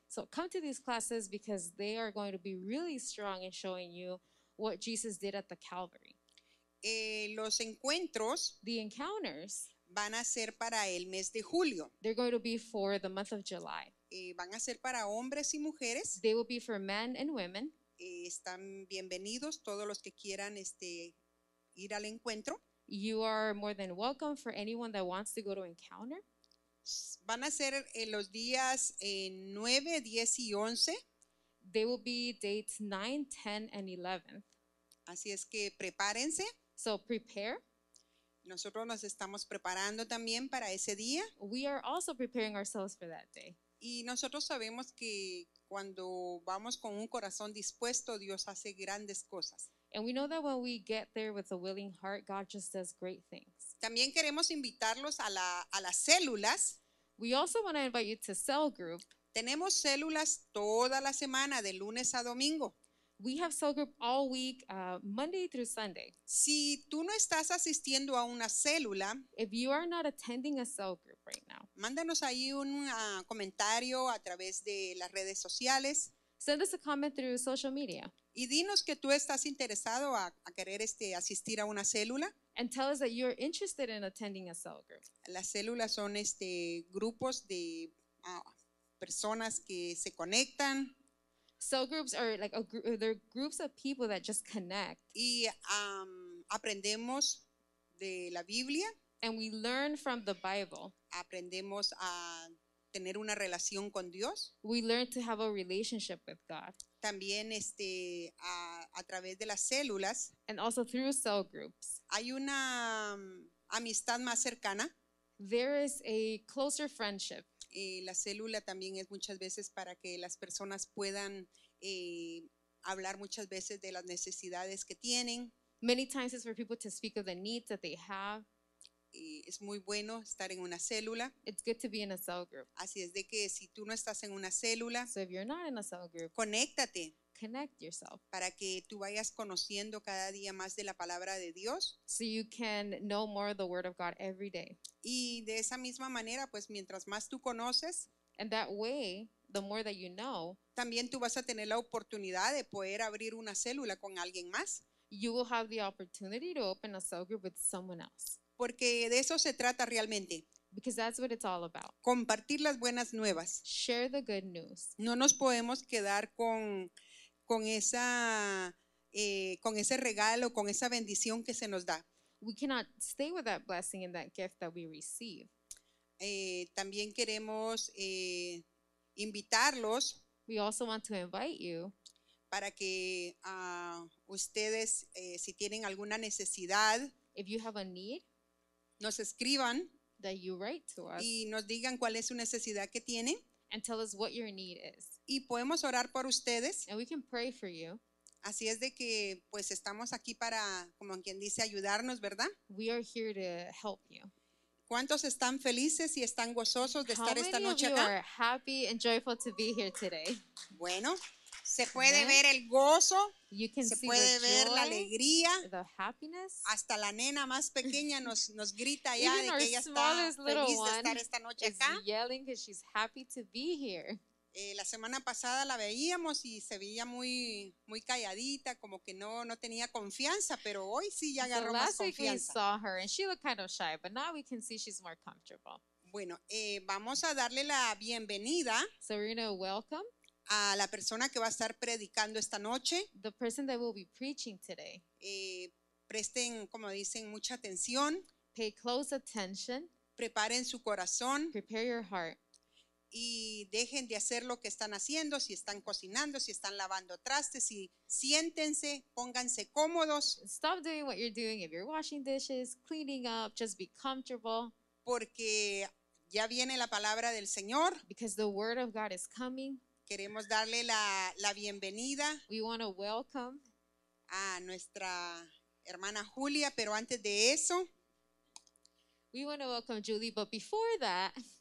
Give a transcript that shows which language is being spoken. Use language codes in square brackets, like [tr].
[en] So come to these classes because they are going to be really strong in showing you what Jesus did at the Calvary. [es] Los encuentros, [en] the encounters, [es] van a ser para el mes de julio. [en] They're going to be for the month of July. [es] Van a ser para hombres y mujeres. [en] They will be for men and women. [es] Están bienvenidos todos los que quieran ir al encuentro. [en] You are more than welcome for anyone that wants to go to encounter. [es] Van a ser los días 9, 10 y 11. [en] They will be dates 9, 10, and 11th. [es] Así es que prepárense. [en] So prepare. [es] Nosotros nos estamos preparando también para ese día. [en] We are also preparing ourselves for that day. [es] Y nosotros sabemos que cuando vamos con un corazón dispuesto, Dios hace grandes cosas. [en] And we know that when we get there with a willing heart, God just does great things. [es] También queremos invitarlos a las células. [en] We also want to invite you to cell group. [es] Tenemos células toda la semana, de lunes a domingo. [en] We have cell group all week, Monday through Sunday. [es] Si tú no estás asistiendo a una célula, [en] if you are not attending a cell group right now, [es] mándanos ahí un comentario a través de las redes sociales. [en] Send us a comment through social media. [es] Y dinos que tú estás interesado a querer asistir a una célula. [en] And tell us that you're interested in attending a cell group. [es] Las células son grupos de personas que se conectan. [en] Cell groups are like they're groups of people that just connect. [es] Y aprendemos de la Biblia. [en] And we learn from the Bible. [es] Aprendemos a tener una relación con Dios. [en] We learn to have a relationship with God. [es] También a través de las células. [en] And also through cell groups. [es] Hay una amistad más cercana. [en] There is a closer friendship. [es] La célula también es muchas veces para que las personas puedan hablar muchas veces de las necesidades que tienen. [en] Many times it's for people to speak of the needs that they have. [es] Es muy bueno estar en una célula. [en] It's good to be in a cell group. [es] Así es de que si tú no estás en una célula, [en] so if you're not in a cell group, [es] conéctate. [en] Connect yourself. [es] Para que tú vayas conociendo cada día más de la palabra de Dios. [en] So you can know more of the word of God every day. [es] Y de esa misma manera, pues mientras más tú conoces, [en] and that way, the more that you know, [es] también tú vas a tener la oportunidad de poder abrir una célula con alguien más. [en] You will have the opportunity to open a cell group with someone else. [es] Porque de eso se trata realmente. [en] Because that's what it's all about. [es] Compartir las buenas nuevas. [en] Share the good news. [es] No nos podemos quedar con ese regalo, con esa bendición que se nos da. [en] We cannot stay with that blessing and that gift that we receive. [es] También queremos invitarlos. [en] We also want to invite you. [es] Para que ustedes, si tienen alguna necesidad. [en] If you have a need. [es] Nos escriban. [en] That you write to us. [es] Y nos digan cuál es su necesidad que tienen. [en] And tell us what your need is. [es] Y podemos orar por ustedes. [en] And we can pray for you. [es] Así es de que, pues, estamos aquí para, como quien dice, ayudarnos, ¿verdad? [en] We are here to help you. [es] ¿Cuántos están felices y están gozosos de estar esta noche acá? [en] How many of you are happy and joyful to be here today? [es] Bueno, se puede ver el gozo. [en] You can [es] se puede ver [en] joy, [es] la alegría. [en] The happiness. [es] Hasta la nena más pequeña nos grita ya de que ella está feliz de estar esta noche acá. [en] Is yelling because she's happy to be here. [es] La semana pasada la veíamos y se veía muy, muy calladita, como que no tenía confianza, pero hoy sí ya agarró más confianza. [en] Last week we saw her and she looked kind of shy, but now we can see she's more comfortable. [es] Bueno, vamos a darle la bienvenida. [en] So we're going to welcome [es] a la persona que va a estar predicando esta noche. [en] The person that will be preaching today. [es] Presten, como dicen, mucha atención. [en] Pay close attention. [es] Preparen su corazón. [en] Prepare your heart. [es] Y dejen de hacer lo que están haciendo, si están cocinando, si están lavando trastes, si siéntense, pónganse cómodos. [en] Stop doing what you're doing if you're washing dishes, cleaning up, just be comfortable. [es] Porque ya viene la palabra del Señor. [en] Because the word of God is coming. [es] Queremos darle la bienvenida. [en] We want to welcome [es] a nuestra hermana Julia, pero antes de eso. [en] We want to welcome Julie, but before that.